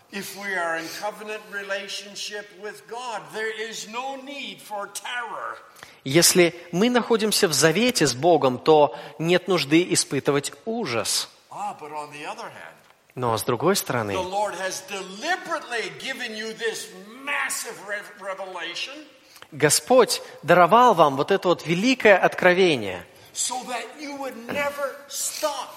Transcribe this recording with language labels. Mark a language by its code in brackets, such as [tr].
[en] If we are in covenant relationship with God, there is no need for terror. [ru] Если мы находимся в завете с Богом, то нет нужды испытывать ужас. [en] But on the other hand, [ru] но с другой стороны, [en] the Lord has deliberately given you this massive revelation. [ru] Господь даровал вам вот это вот великое откровение. [en] So that you would never stop.